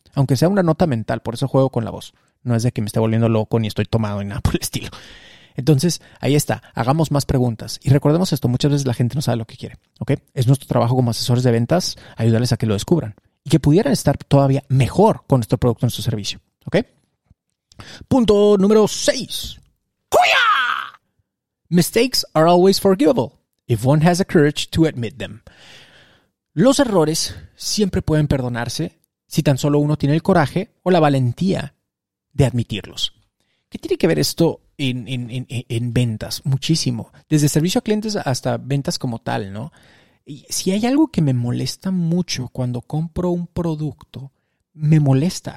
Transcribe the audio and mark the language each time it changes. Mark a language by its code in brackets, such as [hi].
[es] Aunque sea una nota mental, por eso juego con la voz. No es de que me esté volviendo loco ni estoy tomado ni nada por el estilo. Entonces, ahí está. Hagamos más preguntas. Y recordemos esto, muchas veces la gente no sabe lo que quiere. ¿Ok? Es nuestro trabajo como asesores de ventas ayudarles a que lo descubran. Y que pudieran estar todavía mejor con nuestro producto y nuestro servicio. ¿Ok? Punto número 6. ¡Cuya! [en] Mistakes are always forgivable if one has the courage to admit them. [es] Los errores siempre pueden perdonarse si tan solo uno tiene el coraje o la valentía de admitirlos. ¿Qué tiene que ver esto en ventas? Muchísimo. Desde servicio a clientes hasta ventas como tal, ¿no? Y si hay algo que me molesta mucho cuando compro un producto, me molesta.